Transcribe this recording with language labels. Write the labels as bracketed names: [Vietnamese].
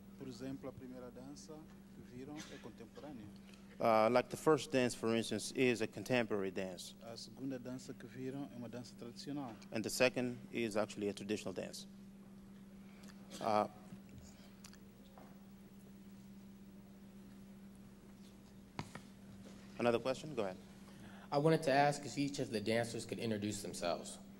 [Portuguese] Por exemplo, a primeira dança que viram é contemporânea. [English] Like the first dance, for instance, is a contemporary dance. [Portuguese] A segunda dança que viram é uma dança tradicional. [English] And the second is actually a traditional dance. Another question? Go ahead. I wanted to ask if each of the dancers could introduce themselves.